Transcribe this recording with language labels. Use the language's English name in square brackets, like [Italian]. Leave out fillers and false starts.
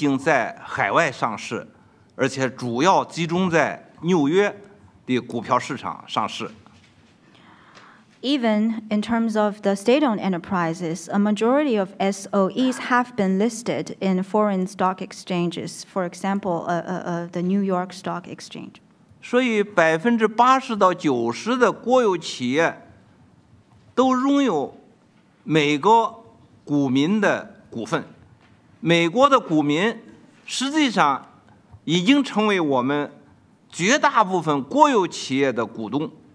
[Chinese] 包括国有企业，绝大部分都已经在海外上市， 而且主要集中在纽约的股票市场上市。 [English] Even in terms of the state-owned enterprises, a majority of SOEs have been listed in foreign stock exchanges, for example, the New York Stock Exchange. [Chinese] 所以 80% to 90% 的国有企业都拥有美国股民的股份，美国的股民实际上已经成为我们绝大部分国有企业的股东。